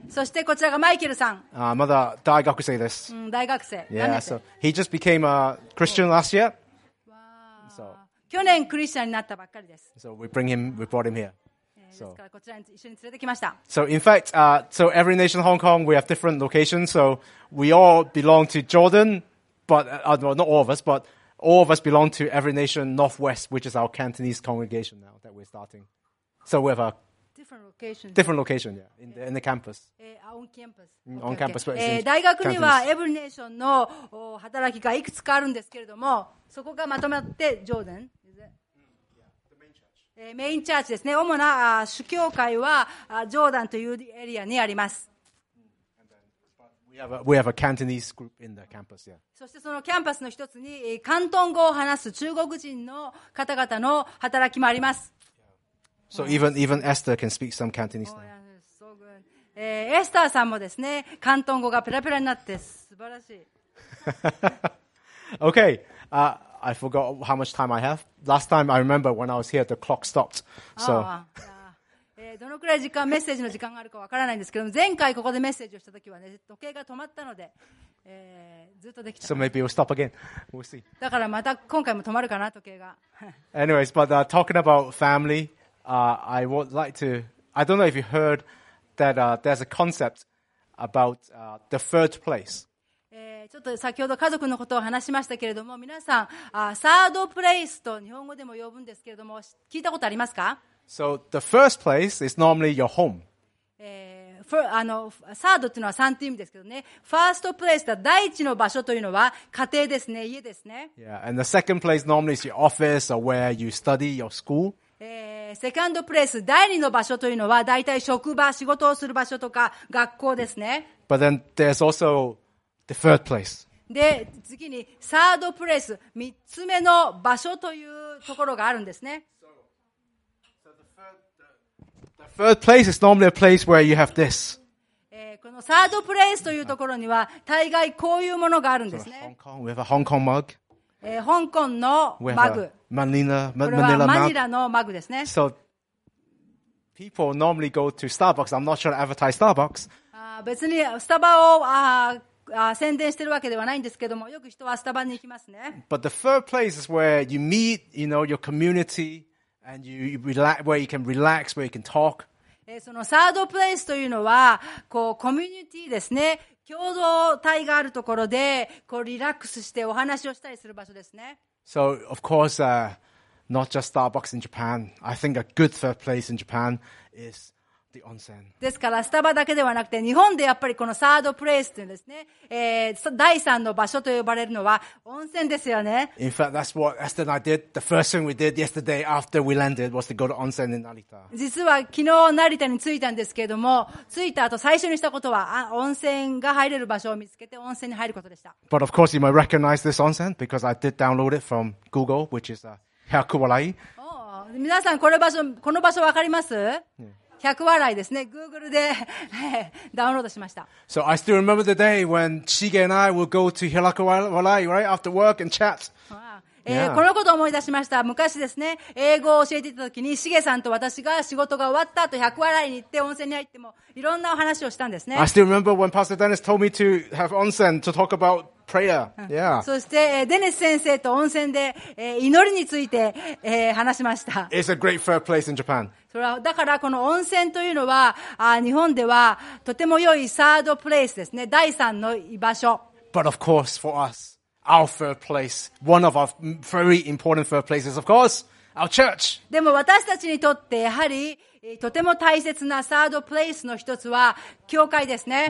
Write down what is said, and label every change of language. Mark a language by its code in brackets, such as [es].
[ja] そしてこちらがマイケルさん。まだ大学生です。大学生。 [en] Yeah, so he just became a Christian last year. [ja] わー。 So, 去年クリスチャンになったばっかりです。 [en] So we brought him here. [ja] So, ですからこちらに一緒に連れてきました。 [en] So in fact, so every nation of Hong Kong, we have different locations. So we all belong to Jordan, but well, not all of us, but all of us belong to every nation northwest, which is our Cantonese congregation now that we're starting. So we have a a different location, yeah, in the campus. On campus. Okay, on campus, okay. [ja] 大学にはエブリネーションの働きがいくつかあるんですけれども、そこがまとまってジョーダン。メインチャーチですね。主な主教会はジョーダンというエリアにあります。 [en] We have a Cantonese group in the campus, yeah. [ja] そしてそのキャンパスの一つに広東語を話す中国人の方々の働きもあります。 [en] So even Esther can speak some Cantonese now. Oh, yeah, that's so good. [ja] Esther さんもですね、広東語がペラペラになって素晴らしい。 [en] Okay, I forgot how much time I have. Last time I remember when I was here, the clock stopped. So. [ja] どのくらい時間メッセージの時間があるかわからないんですけども、前回ここでメッセージをしたときはね、時計が止まったので、ずっとできた。 [en] So maybe we'll stop again. We'll see. [ja] だからまた今回も止まるかな、時計が。 [en] Anyways, but talking about family, I would like to, I don't know if you heard that there's a concept about the third place. [ja] ちょっと先ほど家族のことを話しましたけれども、皆さん、サードプレイスと日本語でも呼ぶんですけれども、聞いたことありますか？ [en] So the first place is normally your home. [ja] サードっていうのは3という意味ですけどね。 First place は第一の場所というのは家庭ですね、家ですね。 [en] Yeah, and the second place normally is your office or where you study your school. [ja] セカンドプレイス、第二の場所というのは大体職場、仕事をする場所とか学校ですね。 [en] But then there's also the third place. [ja] で、次に、サードプレイス、三つ目の場所というところがあるんですね。 [en] third place is normally a place where you have this. [ja] このサードプレイスというところには、大概こういうものがあるんですね。 [en] Hong Kong, we have a Hong Kong mug. [ja] 香港のマグ。 [en] Manila, Manila mug. [ja] これはマニラのマグですね。 [en] So, people normally go to Starbucks. I'm not sure to advertise Starbucks. [ja] 別に、スタバを、宣伝してるわけではないんですけども、よく人はスタバに行きますね。 [en] But the third place is where you meet, you know, your community, and you relax, where you can relax, where you can talk. [ja] そのサードプレイスというのは、こうコミュニティですね、共同体があるところで、こうリラックスしてお話をしたりする場所ですね。 [en] So of course, not just Starbucks in Japan. I think a good third place in Japan is. The onsen. [ja] ですからスタバだけではなくて日本でやっぱりこのサードプレイスというですね、第三の場所と呼ばれるのは温泉ですよね。 [en] In fact, that's what Esther and I did. The first thing we did yesterday after we landed was to go to onsen in Narita. [ja] 実は昨日成田に着いたんですけれども、着いた後最初にしたことは温泉が入れる場所を見つけて温泉に入ることでした。 [en] But of course, you might recognize this onsen because I did download it from Google, which is Hyakuwarai. [ja] 皆さんこの場所わかります？ Yeah. 百笑いですね。Google でダウンロードしました。 [en] So I still remember the day when Shige and I would go to Hyakuwarai right after work and chat. [ja] このことを思い出しました。昔ですね、英語を教えていた時に、Shige さんと私が仕事が終わった後、百笑いに行って温泉に入ってもいろんなお話をしたんですね。 [en] I still remember when Pastor Dennis told me to have onsen to talk about prayer. Yeah. [ja] そして、デネス先生と温泉で、祈りについて、話しました。 [en] It's a great third place in Japan. [ja] それはだからこの温泉というのは日本ではとても良いサードプレイスですね、第三の居場所。 [en] But of course for us, our third place, one of our very important third places, of course, our church. [ja] でも私たちにとってやはりとても大切なサードプレイスの一つは教会ですね。